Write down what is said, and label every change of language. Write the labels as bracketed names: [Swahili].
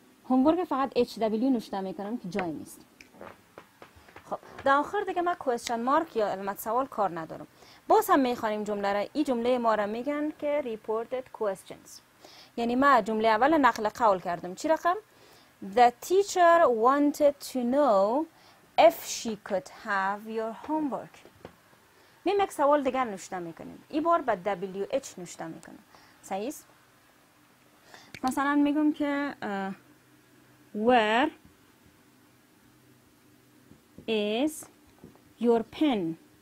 [Persian] هومورک فقط HW نوشته میکنم که جای نیست. خب در آخر دیگه من question mark یا علامت سوال کار ندارم. باز هم میخوانیم جمله را. این جمله ما را میگن که reported questions. یعنی ما جمله اول نقل قول کردم. چی رقم؟ [English] The teacher wanted to know if she could have your homework. [Persian] میم یک سوال دیگر نوشته میکنیم. این بار با WH نوشته میکنم. صحیح است؟ مثلا میگم که [English] Where is your pen?